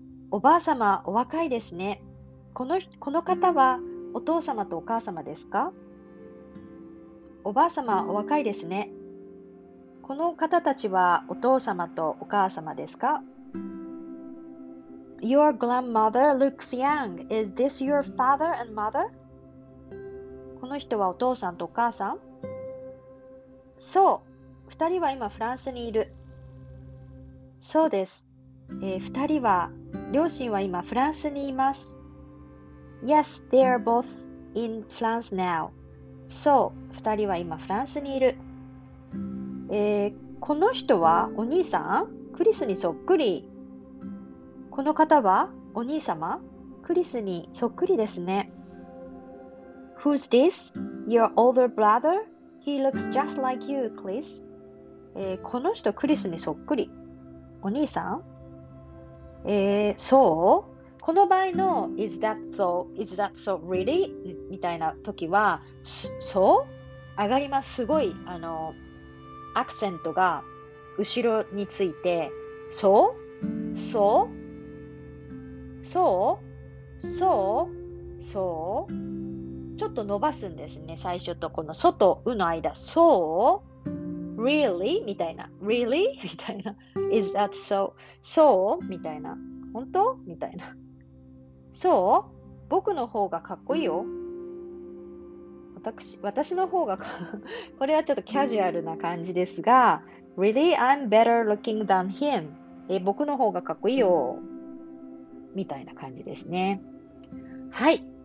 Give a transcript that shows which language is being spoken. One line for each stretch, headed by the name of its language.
Japanese: おばあさまお若いですね。この方はお父さまとお母さまですか？おばあさまお若いですね。この方たちはお父さまとお母さまですか？
English: Your grandmother looks young. Is this your father and mother?
Japanese: この人はお父さんとお母さん？そう、二人は今フランスにいる。そうです。二人は、両親は今フランスにいます。
English: Yes, they are both in France now.
Japanese: そう、二人は今フランスにいる。この人はお兄さん？クリスにそっくり。この方はお兄様？クリスにそっくりですね。
English: Who's this? Your older brother? He looks just like you, Chris.
Japanese: この人、クリスにそっくり。お兄さん？そう？この場合の
English: Is that so? Is that so really?
Japanese: みたいな時は、そう？上がります。すごいアクセントが後ろについて、そう？そう？そう？そう？そう？ちょっと伸ばすんですね。最初とこの外と「う」の間、そう？
English: Really?
Japanese: みたいな。Really? みたいな。
English: Is that so?
Japanese: そう？みたいな。本当？みたいな。そう？僕の方がかっこいいよ。私の方がか、これはちょっとキャジュアルな感じですが、
English: Really? I'm better looking than him.
Japanese: 僕の方がかっこいいよ。みたいな感じですね。はい。